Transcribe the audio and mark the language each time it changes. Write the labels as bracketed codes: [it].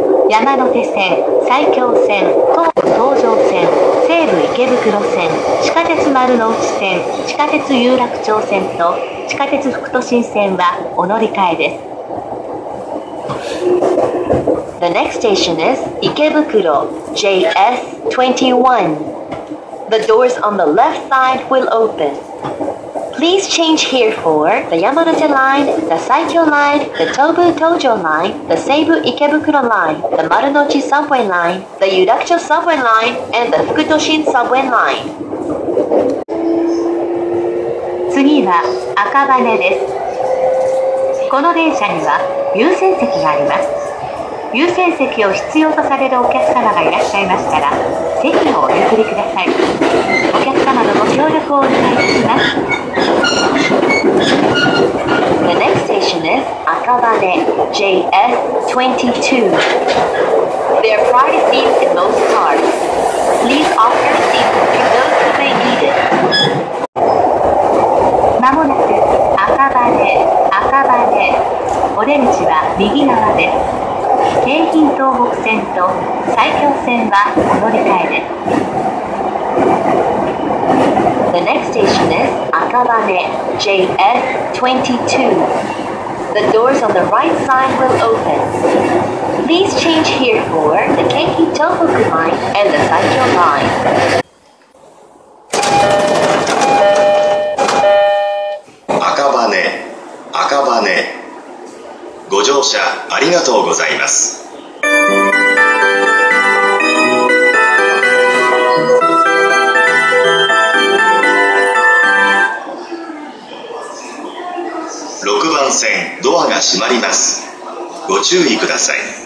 [ja] 山手線、埼京線、東武東上線、西武池袋線、地下鉄丸の内線、地下鉄有楽町線と地下鉄副都心線はお乗り換えです。 [en] The next station is 池袋 JS21. The doors on the left side will openPlease change here for the Yamanote Line, the Saikyo Line, the Tobu Tojo Line, the Seibu Ikebukuro Line, the Marunouchi Subway Line, the Yurakucho Subway Line, and the Fukutoshin Subway Line. [ja] 次は赤羽です。この電車には優先席があります。優先席を必要とされるお客様がいらっしゃいましたら、席をお譲りください。お客様のご協力をお願いします。 [en] The next station is 赤羽 JS22. There are priority seats in most cars. Please offer a seat to those who may need it. [ja] まもなく赤羽。お出口は右側です。京浜東北線と埼京線はお乗り換えです。 [en] The next station is 赤羽 JS22. The doors on the right side will open. Please change here for the Keiki Tohoku line and the Saikyo line. Akabane. [ja] ご乗車ありがとうございます。ドアが閉まります、ご注意ください。